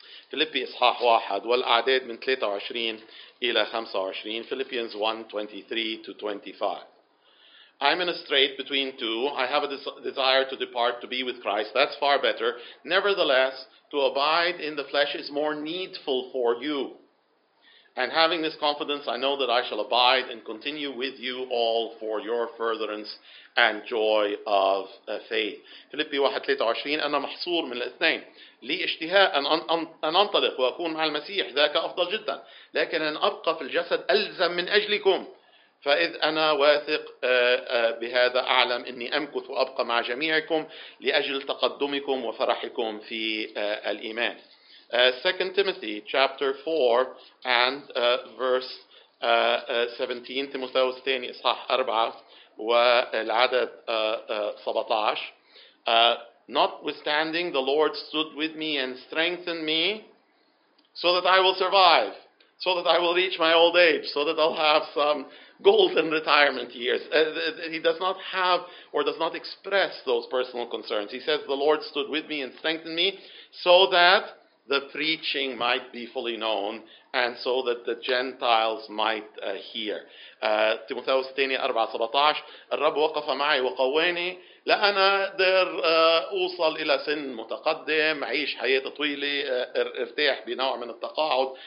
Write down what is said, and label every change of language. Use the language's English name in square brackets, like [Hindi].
[Arabic] Philippians إصحاح 1 والأعداد من 23 إلى 25. [English] Philippians 1:23-25. I'm in a strait between two. I have a desire to depart to be with Christ. That's far better. Nevertheless, to abide in the flesh is more needful for you. And having this confidence, I know that I shall abide and continue with you all for your furtherance and joy of faith. [Arabic] Philippians 1:23, أنا محصور من الاثنين. لي اشتهاء أن أنطلق وأكون مع المسيح. ذاك أفضل جدا. لكن أن أبقى في الجسد ألزم من أجلكم. فإذ أنا واثق بهذا أعلم أني أمكث وأبقى مع جميعكم لأجل تقدمكم وفرحكم في الإيمان. [English] 2 Timothy chapter 4 and verse 17. [Arabic] تيموثاوس الثاني إصحاح 4 والعدد 17. [English] Notwithstanding, the Lord stood with me and strengthened me so that I will survive, so that I will reach my old age, so that I'll have some golden retirement years. He does not have or does not express those personal concerns. He says, the Lord stood with me and strengthened me so that the preaching might be fully known and so that the Gentiles might hear. [Arabic] Timotheus 4:17, الرب وقف معي وقواني لأنا در أوصل إلى سن متقدم عيش حياة طويلة ارتاح بنوع من التقاعد.